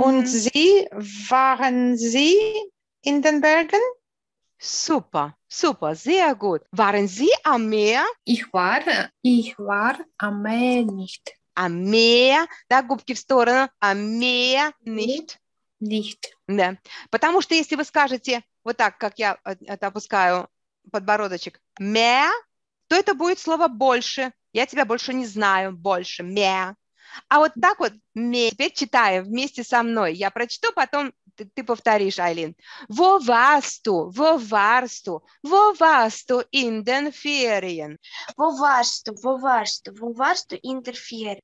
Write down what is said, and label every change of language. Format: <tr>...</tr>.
<de>Und Sie, waren Sie in den Bergen? Super, super, sehr gut. Waren Sie am Meer? Ich war am Meer nicht. Am Meer,</de> <ru>да, губки в сторону,</ru> <de>am Meer nicht. Nicht.</de> <ru>Да, потому что если вы скажете вот так, как я это опускаю, подбородочек, «мэ», то это будет слово «больше». Я тебя больше не знаю, больше, «мэ». А вот так вот, теперь читаем вместе со мной. Я прочту, потом ты повторишь, Айлин.</ru> <de>Wo warst du? Wo warst du? Wo warst du in den Ferien? Wo warst du? Wo warst du? Wo warst du in den Ferien?</de>